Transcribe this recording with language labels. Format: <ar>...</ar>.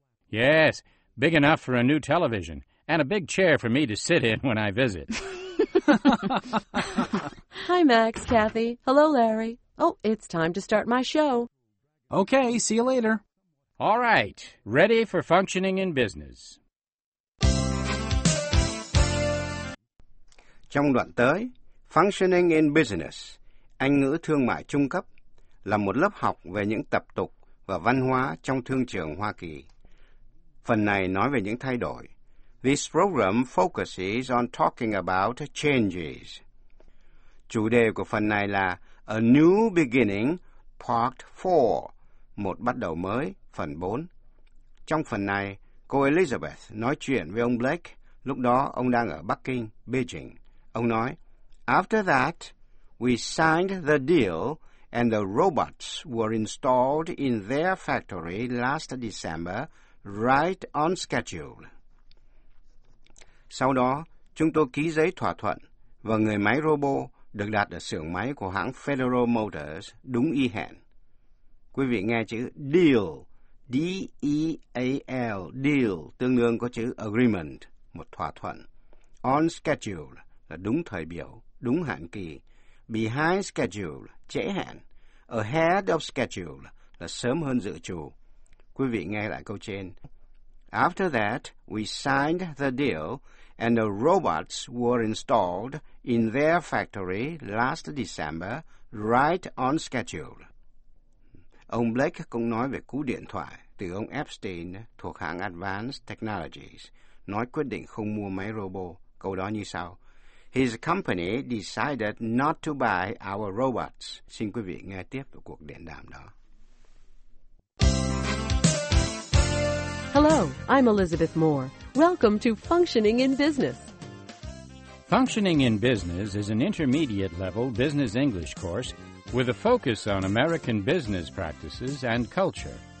<en>Yes, big enough for a new television, and a big chair for me to sit in when I visit. Hi, Max, Kathy. Hello, Larry. Oh, it's time to start my show. Okay, see you later. All right, ready for functioning in business.</en> <vi>Trong đoạn tới, functioning in business, Anh ngữ thương mại trung cấp, là một lớp học về những tập tục và văn hóa trong thương trường Hoa Kỳ. Phần này nói về những thay đổi.</vi> <en>This program focuses on talking about changes.</en> <vi>Chủ đề của phần này là A New Beginning, Part 4, một bắt đầu mới, phần 4. Trong phần này, cô Elizabeth nói chuyện với ông Blake, lúc đó ông đang ở Bắc Kinh, Beijing. Ông nói,</vi> <en>After that, we signed the deal and the robots were installed in their factory last December, right on schedule.</en> <vi>Sau đó, chúng tôi ký giấy thỏa thuận và người máy Robo được đặt ở xưởng máy của hãng Federal Motors đúng y hẹn. Quý vị nghe chữ deal, D-E-A-L, deal, tương đương có chữ agreement, một thỏa thuận. On schedule là đúng thời biểu, đúng hạn kỳ. Behind schedule, trễ hạn. Ahead of schedule là sớm hơn dự trù. Quý vị nghe lại câu trên.</vi> <en>After that, we signed the deal and the robots were installed in their factory last December, right on schedule.</en> <vi>Ông Blake cũng nói về cú điện thoại từ ông Epstein thuộc hãng Advanced Technologies, nói quyết định không mua máy robot. Câu đó như sau.</vi> <en>His company decided not to buy our robots.</en> <vi>Xin quý vị nghe tiếp của cuộc điện đàm đó.</vi> <en>Hello, I'm Elizabeth Moore. Welcome to Functioning in Business. Functioning in Business is an intermediate level business English course with a focus on American business practices and culture.</en>